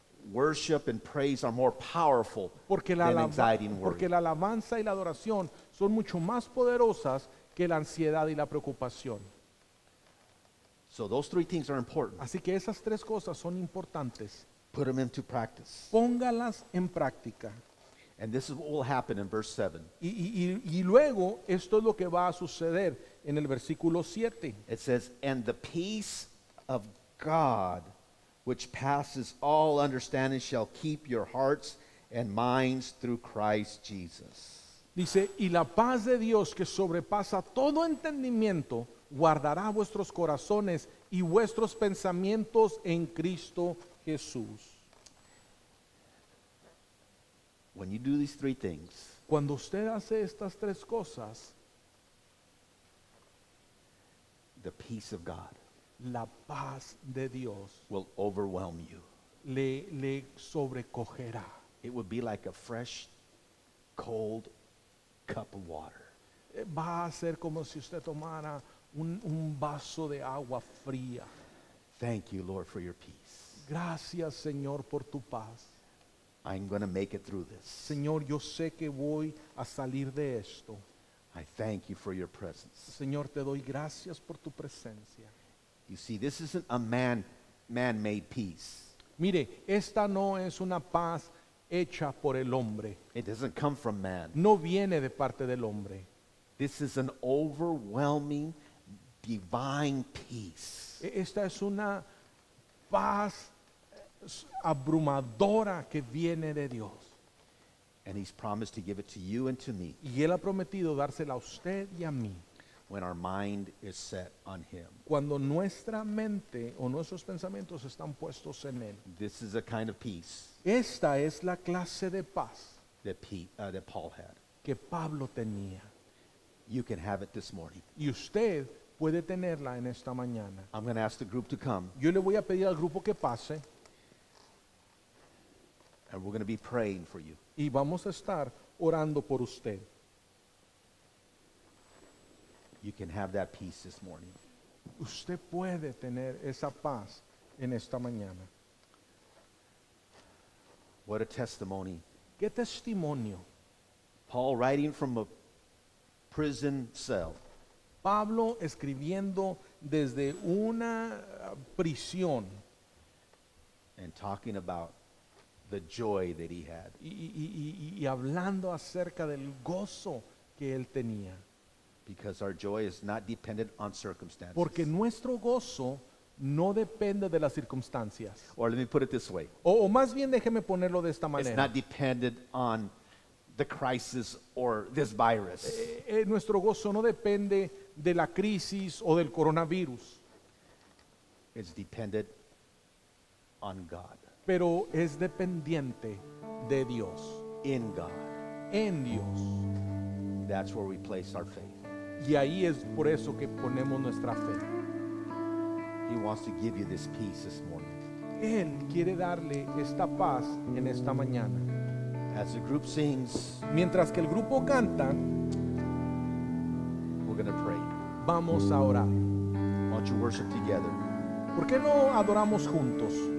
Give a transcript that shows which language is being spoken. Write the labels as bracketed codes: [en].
[en] Worship and praise are more powerful than anxiety and worry. [es] Porque la alabanza y la adoración son mucho más poderosas que la ansiedad y la preocupación. [en] So those three things are important. [es] Así que esas tres cosas son importantes. [en] Put them into practice. [es] Póngalas en práctica. [en] And this is what will happen in verse 7. [es] Y luego esto es lo que va a suceder en el versículo 7. [en] It says, and the peace of God which passes all understanding shall keep your hearts and minds through Christ Jesus. [es] Dice, y la paz de Dios que sobrepasa todo entendimiento guardará vuestros corazones y vuestros pensamientos en Cristo Jesús. [en] When you do these three things, [es] cuando usted hace estas tres cosas, [en] the peace of God, [es] la paz de Dios, [en] will overwhelm you. [es] Le sobrecogerá. [en] It would be like a fresh, cold cup of water. [es] Va a ser como si usted tomara un vaso de agua fría. [en] Thank you, Lord, for your peace. [es] Gracias, Señor, por tu paz. [en] I'm going to make it through this. [es] Señor, yo sé que voy a salir de esto. [en] I thank you for your presence. [es] Señor, te doy gracias por tu presencia. [en] You see, this isn't a man-made peace. [es] Mire, esta no es una paz hecha por el hombre. [en] It doesn't come from man. [es] No viene de parte del hombre. [en] This is an overwhelming divine peace. [es] Esta es una paz abrumadora que viene de Dios. [en] And he's promised to give it to you and to me. [es] Y él ha prometido dársela a usted y a mí. [en] When our mind is set on him. [es] Cuando nuestra mente o nuestros pensamientos están puestos en él. [en] This is a kind of peace. [es] Esta es la clase de paz. [en] That Paul had. [es] Que Pablo tenía. [en] You can have it this morning. [es] Y usted puede tenerla en esta mañana. [en] I'm going to ask the group to come. [es] Yo le voy a pedir al grupo que pase. [en] And we're going to be praying for you. [es] Y vamos a estar orando por usted. [en] You can have that peace this morning. [es] Usted puede tener esa paz en esta mañana. [en] What a testimony. [es] Qué testimonio. [en] Paul writing from a prison cell. [es] Pablo escribiendo desde una prisión. [en] And talking about the joy that he had. [es] Y hablando acerca del gozo que él tenía. [en] Because our joy is not dependent on circumstances. [es] Porque nuestro gozo no depende de las circunstancias. [en] Or let me put it this way. [es] O más bien déjeme ponerlo de esta manera. [en] It's not dependent on the crisis or this virus. [es] Nuestro gozo no depende de la crisis o del coronavirus. [en] It's dependent on God. [es] Pero es dependiente de Dios. [en] In God. [es] En Dios. [en] That's where we place our faith. [es] Y ahí es por eso que ponemos nuestra fe. [en] He wants to give you this peace this morning. [es] Él quiere darle esta paz en esta mañana. [en] As the group sings, [es] mientras que el grupo canta, [en] we're gonna pray. [es] Vamos a orar. [en] Why don't you worship together? [es] ¿Por qué no adoramos juntos?